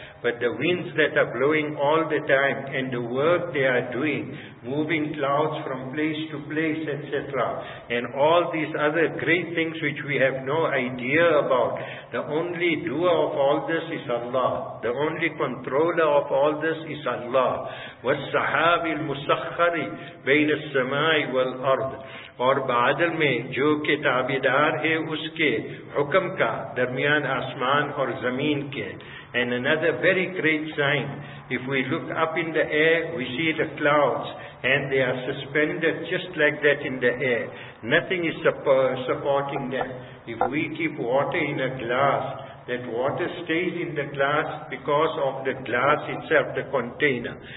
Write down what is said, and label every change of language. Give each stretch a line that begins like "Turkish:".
English: But the winds that are blowing all the time, and the work they are doing, moving clouds from place to place, etc., and all these other great things which we have no idea about. The only doer of all this is Allah. The only controller of all this is Allah.
Arabic: وَالسَّحَابِ الْمُسَخَّرِ بَيْنَ السَّمَاءِ وَالْأَرْضِ
Urdu: اور بادل میں جو کے تابعدار ہے اس کے حکم کا درمیان آسمان اور زمین کے.
English: And another very great sign, if we look up in the air, we see the clouds, and they are suspended just like that in the air. Nothing is supporting them. If we keep water in a glass, that water stays in the glass because of the glass itself, the container.